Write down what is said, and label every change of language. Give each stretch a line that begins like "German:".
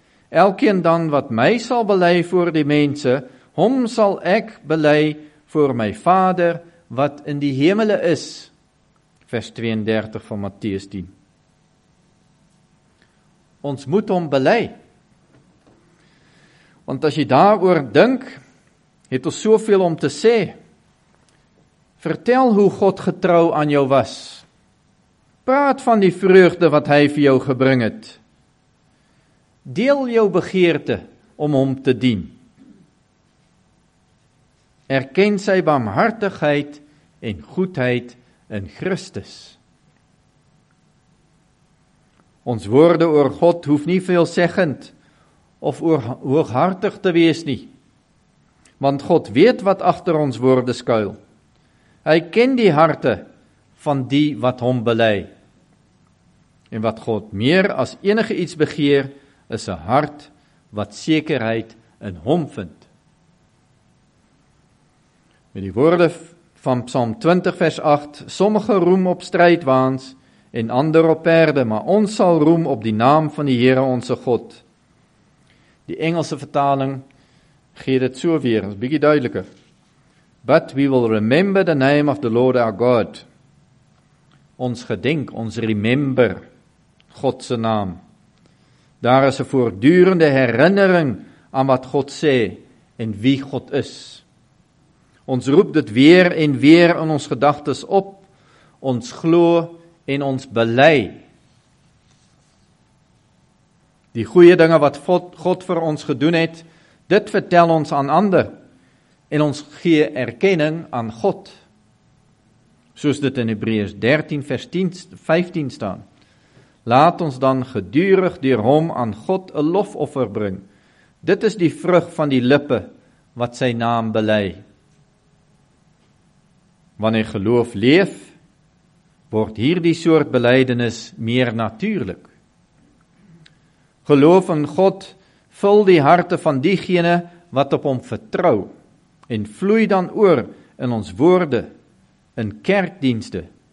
Afrikaans: Elkeen dan wat my sal belei voor die mense, hom sal ek belei voor my Vader wat in die hemele is. Vers 32 van Matteus 10. Ons moet hom belei. Want as jy daaroor dink, het ons soveel om te sê. Vertel hoe God getrou aan jou was. Praat van die vreugde wat hy vir jou gebring het. Deel jou begeerte om hom te dien. Erken sy barmhartigheid en goedheid in Christus. Ons woorde oor God hoef nie veelzeggend of hooghartig te wees nie, want God weet wat agter ons woorde skuil. Hy ken die harte van die wat hom belei. En wat God meer as enige iets begeer, is 'n hart wat sekerheid in hom vind. Met die woorde van Psalm 20 vers 8, sommige roem op strydwaans en ander op perde, maar ons sal roem op die naam van die Here onse God. Die Engelse vertaling gee dit so weer, is bietjie duideliker.
English: But we will remember the name of the Lord our God.
Afrikaans: Ons gedenk, ons remember God se naam. Daar is 'n voortdurende herinnering aan wat God sê en wie God is. Ons roep dit weer en weer in ons gedagtes op, ons glo en ons bely. Die goeie dinge wat God vir ons gedoen het, dit vertel ons aan ander en ons gee erkenning aan God. Soos dit in Hebreërs 13 vers 10, 15 staan. Laat ons dan gedurig deur hom aan God 'n lofoffer bring. Dit is die vrug van die lippe wat sy naam bely. Wanneer geloof leef, word hierdie soort belydenis meer natuurlik. Geloof in God vul die harte van diegene wat op hom vertrou en vloei dan oor in ons woorde, in kerkdienste